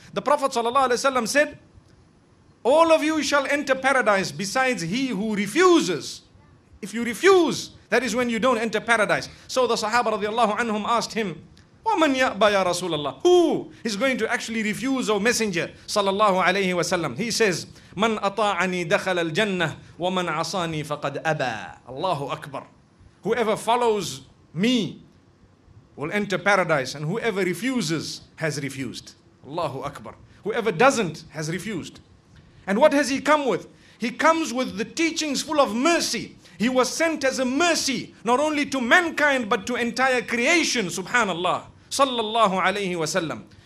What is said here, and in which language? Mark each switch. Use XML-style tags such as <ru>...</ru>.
<en>The Prophet ﷺ said, all of you shall enter paradise besides he who refuses. If you refuse, that is when you don't enter paradise. So the Sahaba radiallahu anhum asked him, وَمَنْ يَأْبَى يَا رَسُولَ اللَّهِ. Who is going to actually refuse, O Messenger sallallahu alayhi wa sallam?</en> <ar>He says, مَنْ أَطَاعَنِي دَخَلَ الْجَنَّةِ وَمَنْ عَصَانِي فَقَدْ أَبَى. Allahu Akbar.</ar> <en>Whoever follows me will enter paradise, and whoever refuses has refused. Allahu Akbar. Whoever doesn't has refused. And what has he come with? He comes with the teachings full of mercy. He was sent as a mercy, not only to mankind, but to entire creation, subhanallah, sallallahu alayhi wa sallam.</en>